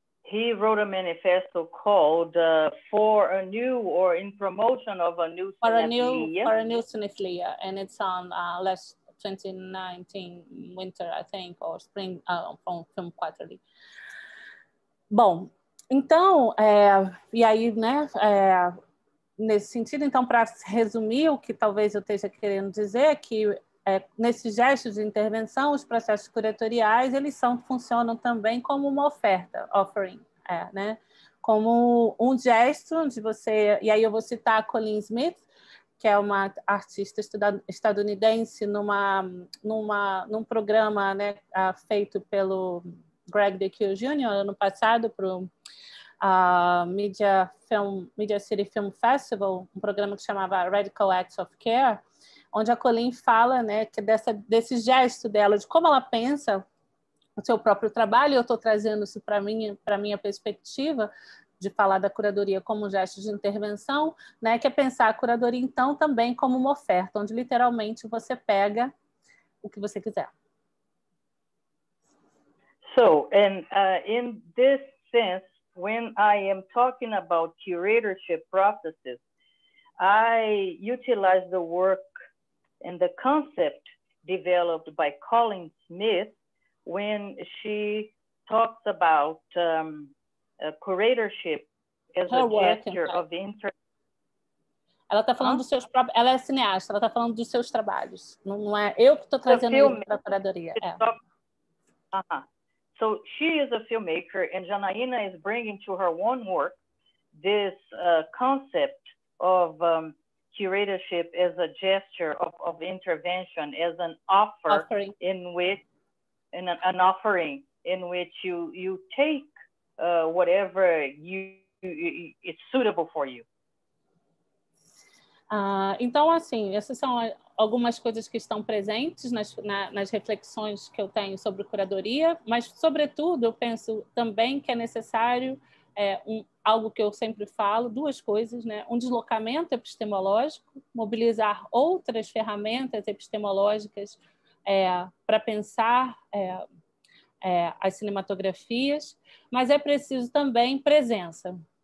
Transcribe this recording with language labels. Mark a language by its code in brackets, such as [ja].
[en] He wrote a manifesto called For a New, or In Promotion of a New Cinefilia. For a New Cinefilia, and it's on last 2019 winter, I think, or spring, from Film Quarterly. [pt] Bom, então, e aí, né, nesse sentido, então, para resumir o que talvez eu esteja querendo dizer, que nesses gestos de intervenção, os processos curatoriais, eles funcionam também como uma oferta, offering. Né? Como um gesto de você... E aí eu vou citar a Colleen Smith, que é uma artista estadunidense num programa, né, feito pelo Greg DeKill Jr. ano passado para o Media City Film Festival, um programa que chamava Radical Acts of Care, onde a Colleen fala, né, que desse gesto dela, de como ela pensa o seu próprio trabalho, eu estou trazendo isso para minha perspectiva de falar da curadoria como um gesto de intervenção, né, que é pensar a curadoria, então, também como uma oferta, onde literalmente você pega o que você quiser. [en] So, and in this sense, when I am talking about curatorship processes, I utilize the work and the concept developed by Colleen Smith when she talks about curatorship as her a gesture of inter... [pt] Ela está falando dos seus próprios... Ela é cineasta, ela está falando dos seus trabalhos. Não é eu que estou trazendo isso para a curadoria. Uh-huh. [en] So she is a filmmaker, and Janaina is bringing to her own work this concept of curatorship as a gesture of intervention, as an offer offering. In which, in an offering in which you take whatever it's suitable for you. [pt] Então, assim, essas são algumas coisas que estão presentes nas reflexões que eu tenho sobre curadoria, mas, sobretudo, eu penso também que é necessário algo que eu sempre falo, duas coisas, né? Um deslocamento epistemológico, mobilizar outras ferramentas epistemológicas para pensar as cinematografias, mas é preciso também presença.